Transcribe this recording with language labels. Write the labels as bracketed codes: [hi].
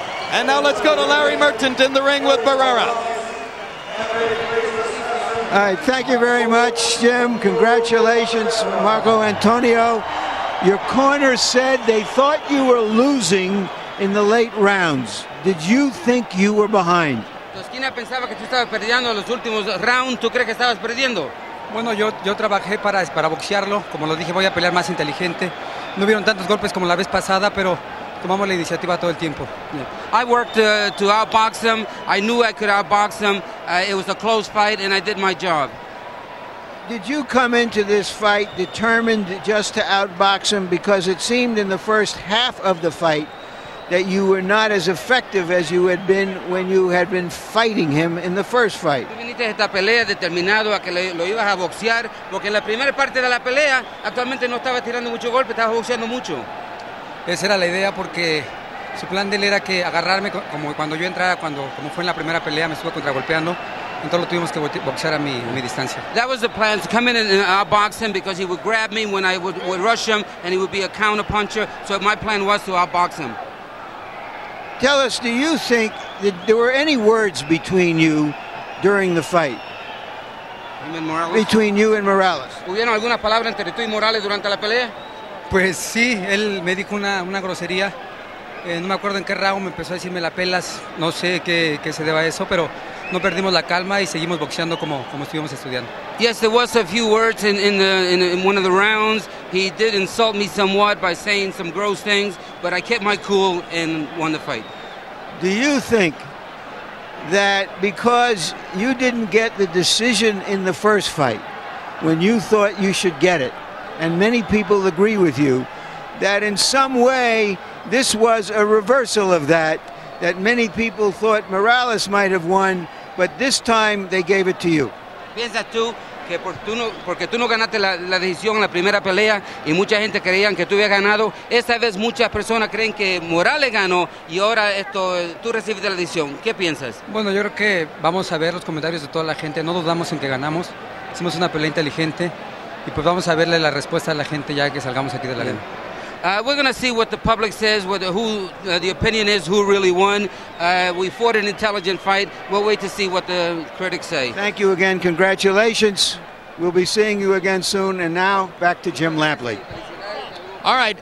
[en] And now let's go to Larry Merchant in the ring with Barrera. All right, thank you very much, Jim. Congratulations, Marco Antonio. Your corner said they thought you were losing in the late rounds. Did you think you were behind? [es] Tu esquina pensaba que tú estabas perdiendo los últimos rounds. ¿Tú crees que estabas perdiendo? Bueno, yo trabajé para boxearlo. Como lo dije, voy a pelear más inteligente. No vieron tantos golpes como la vez pasada, pero tomamos la iniciativa todo el tiempo. [en] Yeah. I worked to outbox him. I knew I could outbox him. It was a close fight, and I did my job. Did you come into this fight determined just to outbox him? Because it seemed in the first half of the fight that you were not as effective as you had been when you had been fighting him in the first fight. [es] Tú viniste a esta pelea determinado a que lo ibas a boxear, porque en la primera parte de la pelea actualmente no estaba tirando mucho golpe, estaba boxeando mucho. Esa era la idea porque su plan de él era que agarrarme como cuando yo entraba, cuando como fue en la primera pelea, me estuvo contragolpeando. Entonces lo tuvimos que boxear a mi distancia. [en] That was the plan, to come in and outbox him because he would grab me when I would rush him and he would be a counterpuncher. So my plan was to outbox him. Tell us, do you think that there were any words between you during the fight? Him and Morales? Between you and Morales. [es] ¿Hubieron alguna palabra entre tú y Morales durante la pelea? Pues sí, él me dijo una grosería. No me acuerdo en qué round me empezó a decirme la pelas. No sé qué se deba a eso, pero no perdimos la calma y seguimos boxeando como estuvimos estudiando. [en] Yes, there was a few words in one of the rounds. He did insult me somewhat by saying some gross things, but I kept my cool and won the fight. Do you think that because you didn't get the decision in the first fight when you thought you should get it, and many people agree with you, that in some way this was a reversal of that, that many people thought Morales might have won, but this time they gave it to you? [es] ¿Piensas tú que porque tú no ganaste la decisión en la primera pelea y mucha gente creían que tú habías ganado, esta vez muchas personas creen que Morales ganó y ahora esto tú recibiste la decisión? ¿Qué piensas? Bueno, yo creo que vamos a ver los comentarios de toda la gente. No dudamos en que ganamos. Hicimos una pelea inteligente y pues vamos a verle la respuesta a la gente ya que salgamos aquí de la arena. [en] We're going to see what the public says, who the opinion is, who really won. We fought an intelligent fight. We'll wait to see what the critics say. Thank you again. Congratulations. We'll be seeing you again soon. And now, back to Jim Lampley. All right.